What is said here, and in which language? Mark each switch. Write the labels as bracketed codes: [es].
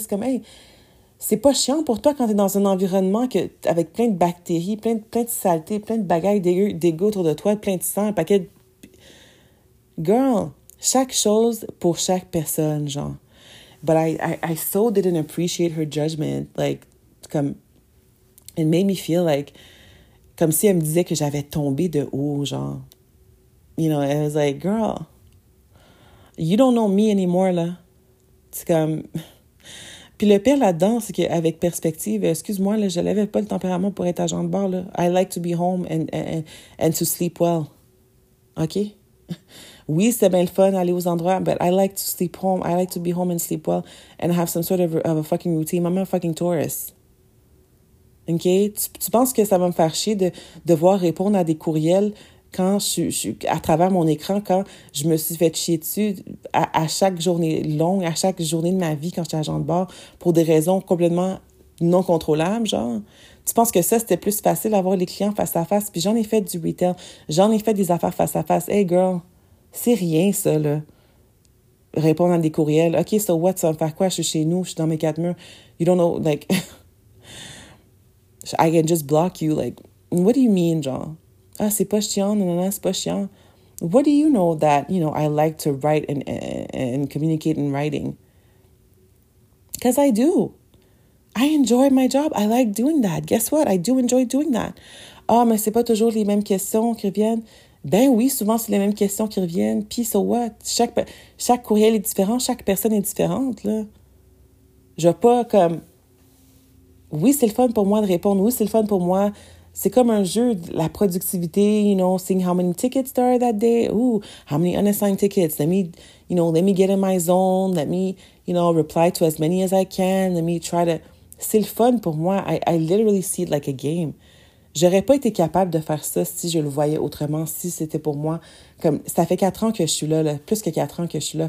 [fr] C'est comme, hey, c'est pas chiant pour toi quand t'es dans un environnement que, avec plein de bactéries, plein de saletés, plein de bagailles dégueu autour de toi, plein de sang, un paquet de... Girl, chaque chose pour chaque personne, genre. [en] But I so didn't appreciate her judgment. Like, comme... It made me feel like... [fr] Comme si elle me disait que j'avais tombé de haut, genre. [en] You know, I was like, girl, you don't know me anymore, là. [fr] C'est comme... Puis le pire là-dedans, c'est qu'avec perspective, excuse-moi, là, je n'avais pas le tempérament pour être agent de bord, là. [en] I like to be home and to sleep well. OK? [fr] Oui, c'est bien le fun d'aller aux endroits, [en] but I like to sleep home. I like to be home and sleep well and have some sort of a fucking routine. I'm a fucking tourist. OK? [fr] Tu penses que ça va me faire chier de devoir répondre à des courriels quand je à travers mon écran, quand je me suis fait chier dessus à chaque journée longue, à chaque journée de ma vie quand j'étais agent de bord, pour des raisons complètement non contrôlables, genre. Tu penses que ça, c'était plus facile d'avoir les clients face à face? Puis j'en ai fait du retail. J'en ai fait des affaires face à face. Hey, girl, c'est rien, ça, là. Répondre à des courriels. [en] OK, so what? [fr] Ça va me faire quoi? Je suis chez nous, je suis dans mes quatre murs. [en] You don't know, like... I can just block you, like... What do you mean, genre? [fr] Ah, c'est pas chiant, non, c'est pas chiant. [en] What do you know that, you know, I like to write and communicate in writing? Because I do. I enjoy my job. I like doing that. Guess what? I do enjoy doing that. [fr] Ah, mais c'est pas toujours les mêmes questions qui reviennent. Ben oui, souvent c'est les mêmes questions qui reviennent. Puis [en] so what? [fr] Chaque courriel est différent. Chaque personne est différente, là. Je vais pas comme... Oui, c'est le fun pour moi de répondre. Oui, c'est le fun pour moi. C'est comme un jeu de la productivité, [en] you know, seeing how many tickets there are that day. Ooh, how many unassigned tickets. Let me get in my zone. Let me, you know, reply to as many as I can. Let me try to... [fr] C'est le fun pour moi. [en] I literally see it like a game. [fr] J'aurais pas été capable de faire ça si je le voyais autrement, si c'était pour moi. Comme, ça fait 4 ans que je suis là, plus que 4 ans que je suis là.